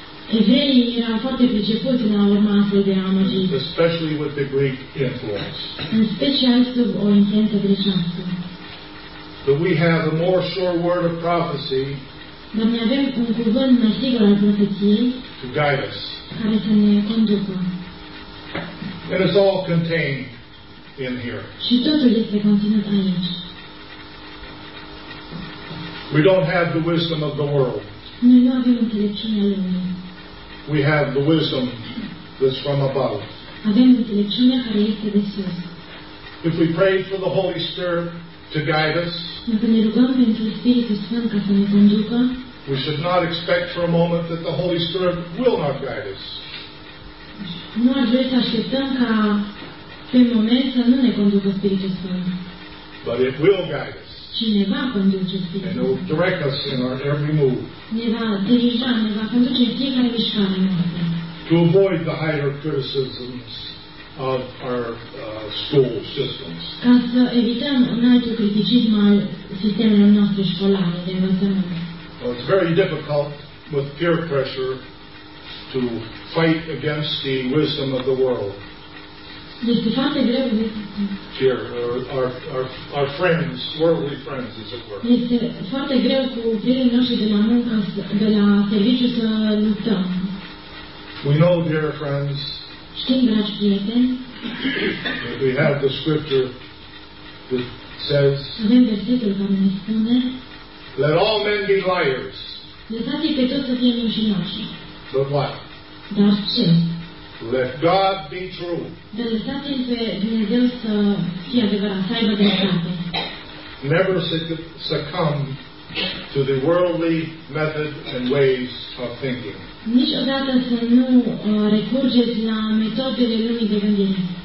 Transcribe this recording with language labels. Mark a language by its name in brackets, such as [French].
[Romanian] Evreii erau foarte pricepuți la urma astfel de amăgiri. [English] Especially with the Greek influence. [Romanian] În special sub o influență grecească. [English] But we have a more sure word of prophecy. [Romanian] Dar noi avem un cuvânt mai sigur al profeției. [English] To guide us. [Romanian] Care să ne conducă. [English] It is all contained in here. [Romanian] Și totul este conținut aici. [English] We don't have the wisdom of the world. [Romanian] Noi nu avem înțelepciunea lumii. [English] We have the wisdom that's from above. [Romanian] Avem înțelepciunea care este de sus. [English] If we pray for the Holy Spirit to guide us, [Romanian] dacă ne rugăm pentru Spiritul Sfânt ca să ne conducă, [English] we should not expect for a moment that the Holy Spirit will not guide us. [Romanian] Nu ar trebui să așteptăm ca pe moment să nu ne conducă Spiritul Sfânt. [English] But it will guide us. [Romanian] Și ne va conduce Spiritul. [English] And it will direct us in our every move. [Romanian] Ne va dirija, ne va conduce fiecare mișcare noastră. [English] To avoid the higher criticisms of our school systems. [Romanian] Ca să evităm un alt criticism al sistemelor noastre școlare de învățământ. [English] Well, it's very difficult with peer pressure to fight against the wisdom of the world. [Romanian] Deci foarte greu [English] our friends, worldly friends, as it were. [Romanian] Este foarte greu cu prietenii noștri de la muncă, de la serviciu să luptăm. [English] We know, dear friends. [Romanian] Știm, dragi prieteni. [English] We have the scripture that says. [Romanian] Avem versetul care ne spune. [English] Let all men be liars. [Romanian] Lăsați pe toți să fie mincinoși. [English] But what? [Romanian] Dar ce? [English] Let God be true. [Romanian] Dar lăsați-L pe Dumnezeu să fie adevărat, să aibă dreptate. [English] Never succumb to the worldly method and ways of thinking. [Romanian] Niciodată să nu recurgeți la metodele lumii de gândire.